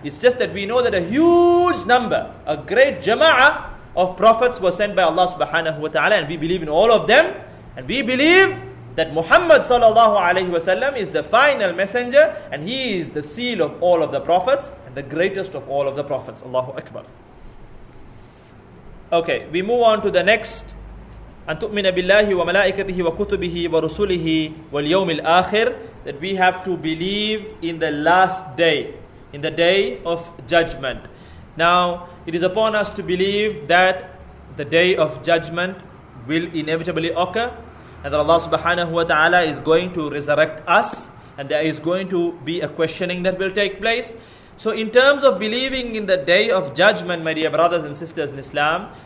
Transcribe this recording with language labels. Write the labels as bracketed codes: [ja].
[en] It's just that we know that a huge number, a great jama'ah of prophets were sent by Allah subhanahu wa ta'ala, and we believe in all of them, and we believe that Muhammad sallallahu alayhi wasallam is the final messenger and he is the seal of all of the prophets and the greatest of all of the prophets. Allahu Akbar. Okay, we move on to the next. [ar] أن تؤمن بالله وملائكته وكتبه ورسله واليوم الآخر. [en] That we have to believe in the last day, in the day of judgment. Now, it is upon us to believe that the day of judgment will inevitably occur, and that Allah subhanahu wa ta'ala is going to resurrect us, and there is going to be a questioning that will take place. So in terms of believing in the day of judgment, my dear brothers and sisters in Islam,